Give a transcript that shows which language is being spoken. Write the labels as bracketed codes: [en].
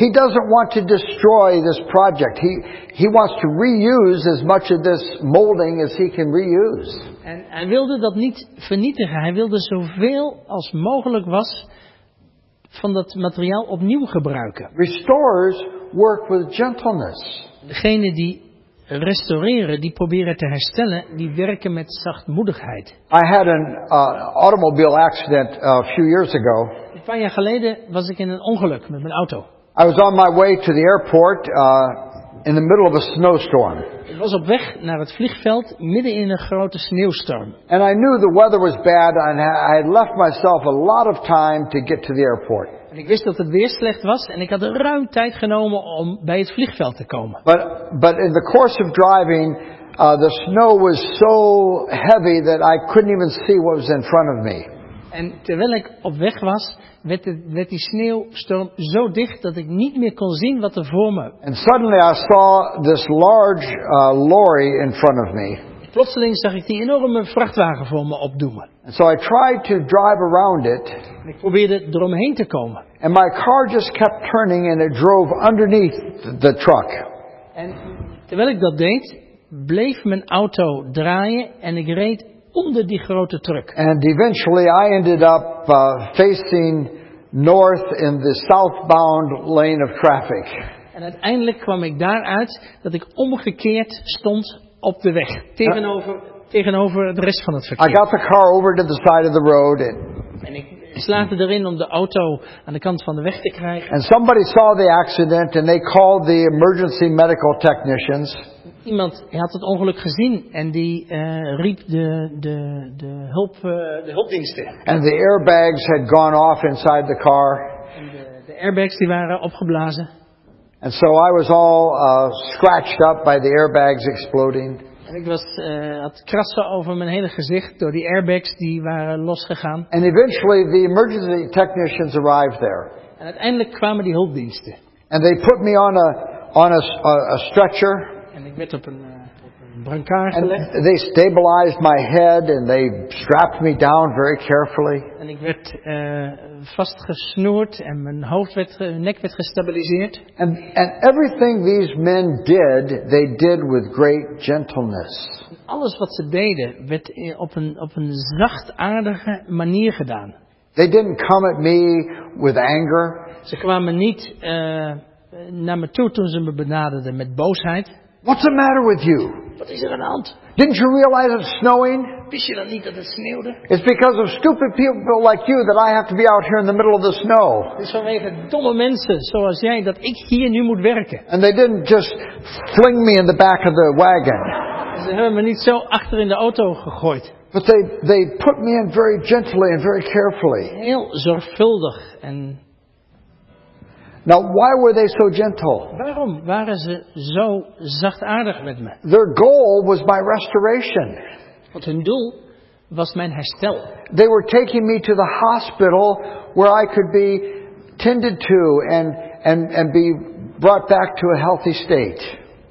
[en] He doesn't want to destroy this project. He wants to reuse as much of this molding as he can reuse. [nl] En hij wilde dat niet vernietigen. Hij wilde zoveel als mogelijk was van dat materiaal opnieuw gebruiken. [en] Restorers work with gentleness. [nl] Degene die restaureren, die proberen te herstellen, die werken met zachtmoedigheid. [en] I had an automobile accident a few years ago. [nl] Een paar jaar geleden was ik in een ongeluk met mijn auto. [en] I was on my way to the airport in the middle of a snowstorm. [nl] Ik was op weg naar het vliegveld midden in een grote sneeuwstorm. [en] And I knew the weather was bad and I had left myself a lot of time to get to the airport. [nl] En ik wist dat het weer slecht was en ik had ruim tijd genomen om bij het vliegveld te komen. [en] But in the course of driving, the snow was so heavy that I couldn't even see what was in front of me. [nl] En terwijl ik op weg was, werd die sneeuwstorm zo dicht dat ik niet meer kon zien wat er voor me. [en] And suddenly I saw this large lorry in front of me. [nl] Plotseling zag ik die enorme vrachtwagen voor me opdoemen. [en] And so I tried to drive around it. [nl] En ik probeerde eromheen te komen. [en] And my car just kept turning and it drove underneath the truck. [nl] En terwijl ik dat deed, bleef mijn auto draaien en ik reed onder die grote truck. [en] And eventually I ended up facing north in the southbound lane of traffic. [nl] En uiteindelijk kwam ik daaruit dat ik omgekeerd stond op de weg. Tegenover de rest van het verkeer. [en] I got the car over to the side of the road. [nl] En ik slaagde erin om de auto aan de kant van de weg te krijgen. [en] And somebody saw the accident and they called the emergency medical technicians. [nl] Iemand had het ongeluk gezien en die riep de hulpdiensten. [en] And the airbags had gone off inside the car. [nl] De airbags die waren opgeblazen. [en] And so I was all scratched up by the airbags exploding. [nl] En ik was had krassen over mijn hele gezicht door die airbags die waren losgegaan. [en] And eventually the emergency technicians arrived there. [nl] En uiteindelijk kwamen die hulpdiensten. [en] And they put me on a stretcher. [nl] En ik werd op een brancard gelegd. [en] And they stabilized my head and they strapped me down very carefully. [nl] En ik werd vastgesnoerd en mijn nek werd gestabiliseerd. [en] And everything these men did, they did with great gentleness. [nl] Alles wat ze deden werd op een zachtaardige manier gedaan. [en] They didn't come at me with anger. [nl] Ze kwamen niet naar me toe toen ze me benaderden met boosheid. [en] What's the matter with you? [nl] Wat is er aan de hand? [en] Didn't you realize it's snowing? [nl] Wist je dan niet dat het sneeuwde? [en] It's because of stupid people like you that I have to be out here in the middle of the snow. [nl] Het is vanwege domme mensen zoals jij dat ik hier nu moet werken. [en] And they didn't just fling me in the back of the wagon. [nl] Ze hebben me niet zo achter in de auto gegooid. [en] But they put me in very gently and very carefully. [nl] Heel zorgvuldig en. [en] Now, why were they so gentle? [nl] Waarom waren ze zo zachtaardig met me? [en] Their goal was my restoration. [nl] Want hun doel was mijn herstel. [en] They were taking me to the hospital where I could be tended to and be brought back to a healthy state.